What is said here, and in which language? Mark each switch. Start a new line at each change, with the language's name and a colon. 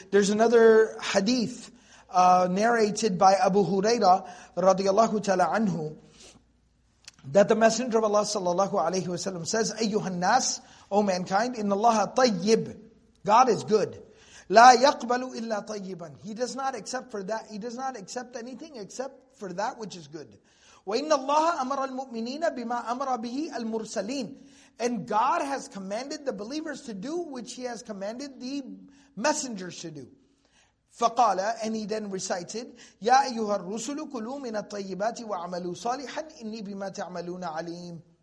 English: There's another hadith narrated by Abu Hurairah radiallahu ta'ala anhu that the Messenger of Allah sallallahu alaihi wasallam says,
Arabic: "Ayyuhan nas,
English: O mankind,
Arabic: inna Allah tayyib,
English: God is good."
Arabic: لا يقبل إلا طيبا.
English: He does not accept for that. He does not accept anything except for that which is good.
Arabic: وإن الله أمر المؤمنين بما أمر به المرسلين.
English: And God has commanded the believers to do which He has commanded the messengers to do.
Arabic: فقال,
English: and he then recited,
Arabic: يا أيها الرسل كلوا من الطيبات وعملوا صالحا إني بما تعملون عليم.